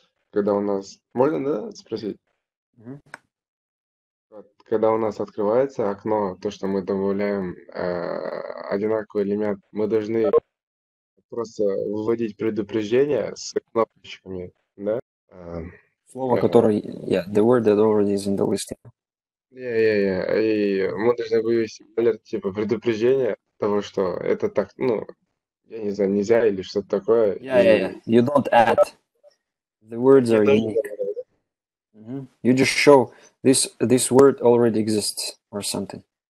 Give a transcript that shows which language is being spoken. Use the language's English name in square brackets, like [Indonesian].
[Russian] Когда у нас... Можно, да, спросить? Mm-hmm. Когда у нас открывается окно, то, что мы добавляем одинаковый элемент, мы должны просто выводить предупреждение с кнопочками, да? Слово, которое... [English] Yeah, the word that already is in the list. [Russian] И мы должны вывести alert, типа предупреждение того, что это так, ну, я не знаю, нельзя или что-то такое. [English] You don't add. The words are unique. Mm-hmm. You just show... This word already exists or something.